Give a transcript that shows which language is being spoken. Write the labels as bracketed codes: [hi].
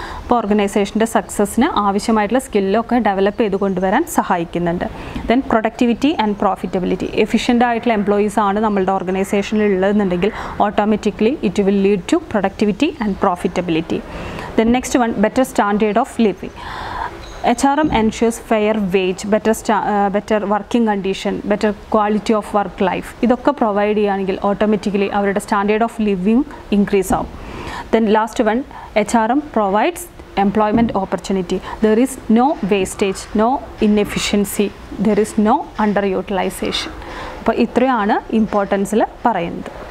[ml] അപ്പോൾ ഓർഗനൈസേഷൻ്റെ സക്സസ്സിന് ആവശ്യമായിട്ടുള്ള സ്കില്ലൊക്കെ ഡെവലപ്പ് ചെയ്ത് കൊണ്ടുവരാൻ സഹായിക്കുന്നുണ്ട്. [en] Then productivity and profitability. [ml] Efficient ആയിട്ടുള്ള എംപ്ലോയീസ് ആണ് നമ്മളുടെ ഓർഗനൈസേഷനിൽ ഉള്ളതെന്നുണ്ടെങ്കിൽ automatically [en] It will lead to productivity and profitability. Then next one better standard of living. HRM ensures fair wage, better working condition, better quality of work life. [ml] ഇതൊക്കെ provide ചെയ്യുകയാണെങ്കിൽ automatically അവരുടെ standard of living increase ആവും. [en] Then last one, HRM provides employment opportunity. There is no wastage, no inefficiency, there is no underutilisation. [ml] അപ്പോൾ ഇത്രയാണ് ഇമ്പോർട്ടൻസിൽ പറയുന്നത്.